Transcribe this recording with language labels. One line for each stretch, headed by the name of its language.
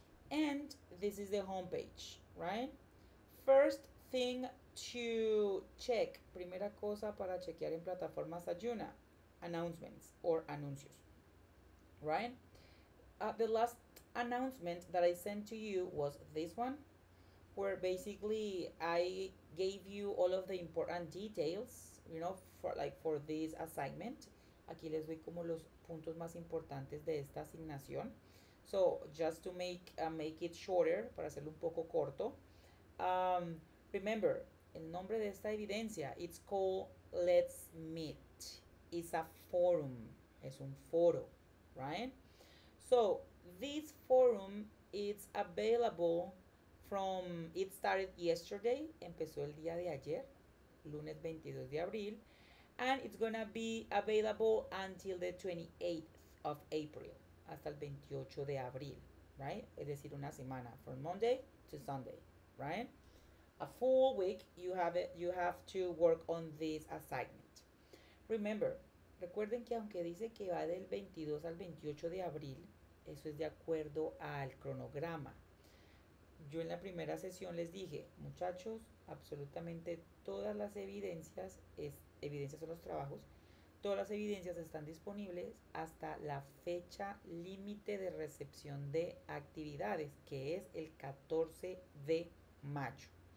English: And this is the homepage, right? First thing to check,
Spanish: primera cosa para chequear en plataforma Sajuna,
English: announcements or
Spanish: anuncios,
English: right? The last announcement that I sent to you was this one, where basically I gave you all of the important details, you know, for this assignment.
Spanish: Aquí les doy como los puntos más importantes de esta asignación.
English: So, just to make it shorter,
Spanish: para hacerlo un poco corto.
English: Remember,
Spanish: el nombre de esta evidencia,
English: it's called Let's Meet. It's a forum.
Spanish: Es un foro,
English: right? So, this forum is available from... It started yesterday.
Spanish: Empezó el día de ayer, lunes 22 de abril.
English: And it's going to be available until the 28th of April,
Spanish: hasta el 28 de abril,
English: right?
Spanish: Es decir, una semana,
English: from Monday to Sunday,
Spanish: right?
English: A full week, you have to work on this assignment. Remember,
Spanish: recuerden que aunque dice que va del 22 al 28 de abril, eso es de acuerdo al cronograma. Yo en la primera sesión les dije, muchachos, absolutamente todas las evidencias están. Evidencias son los trabajos. Todas las evidencias están disponibles hasta la fecha límite de recepción de actividades, que es el 14 de mayo.